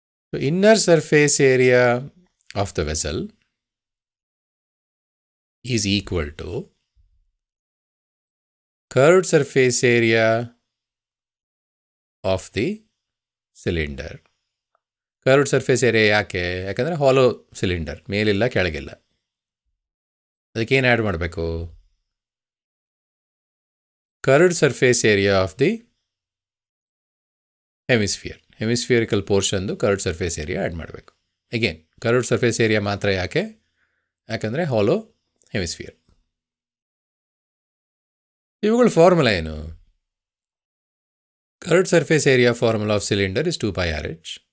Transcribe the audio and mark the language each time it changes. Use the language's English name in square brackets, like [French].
[English] So inner surface area of the vessel is equal to curved surface area of the cylinder. [Kannada] Curved surface area ಯಾಕೆ? ಯಾಕಂದರೆ ಹಾಲೋ cylinder, ಮೇಲಿಲ್ಲ ಕೆಳಗಿಲ್ಲ. ಅದಕ್ಕೆ ಏನು add ಮಾಡಬೇಕು? [English] curved surface area of the hemisphere. [Kannada] Hemispherical portionದು curved surface area add ಮಾಡಬೇಕು. Again curved surface area ಮಾತ್ರ ಯಾಕೆ? ಯಾಕಂದರೆ ಹಾಲೋ hemisphere. ಇವುಗಳ ಫಾರ್ಮುಲಾ ಏನು? [English] Curved surface area formula of cylinder is 2πRH.